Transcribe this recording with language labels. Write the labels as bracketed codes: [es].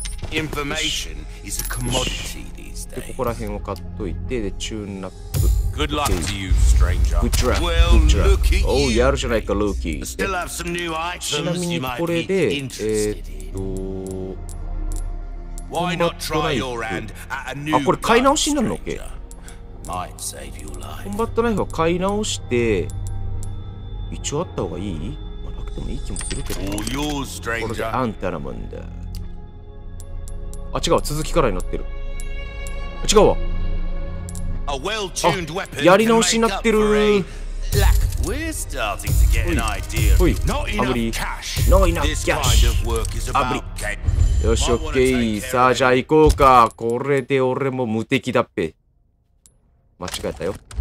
[en] Information is a commodity these days. [ja] ここら辺を買っといて、で、チューンナップ。 [en] Good luck to you, stranger. Good track. Well, look at you. [ja] Oh, やるじゃないか、ルーキー。 [en] Still have some new items you might be interested in. Why not try your hand at a new gun, stranger? Might save your life. Might save your life. [ja] コンバットナイフは買い直して、一応あった方がいい？まあ、なくてもいい気もするけど。 [en] All yours, stranger. [ja] これでアンタラモンだ。あ、違う、続きからになってる。あ、違うわ。あ、やり直しになってる。 [en] Black. We're starting to get an idea. Not enough cash. Not enough cash. This kind of work is about getting. [ja] よし、オッケー。さあ、じゃあ行こうか。これで俺も無敵だっぺ。間違えたよ。